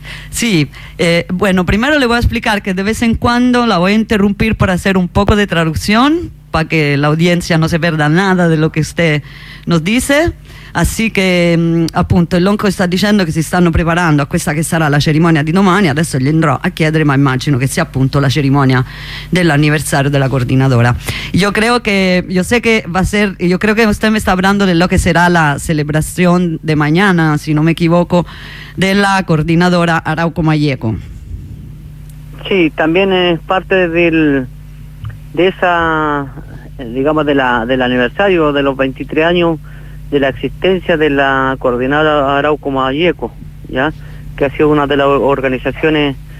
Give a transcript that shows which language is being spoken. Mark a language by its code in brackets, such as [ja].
[es] Sí, bueno, primero le voy a explicar que de vez en cuando la voy a interrumpir para hacer un poco de traducción, para que la audiencia no se pierda nada de lo que usted nos dice. Así que, [it] appunto, [es] el Onco está diciendo que [it] si stanno preparando a questa che sarà la cerimonia di domani, adesso gli andrò a chiedere, ma immagino che sia appunto la cerimonia dell'anniversario della coordinadora. [es] Yo creo que, yo sé que va a ser, yo creo que usted me está hablando de lo que será la celebración de mañana, si no me equivoco, de la coordinadora Arauco Mayeco. Sí, también es parte de esa, digamos, del aniversario de los 23 años de la existencia de la coordinadora Arauco Mayeco, ya que ha sido una de las organizaciones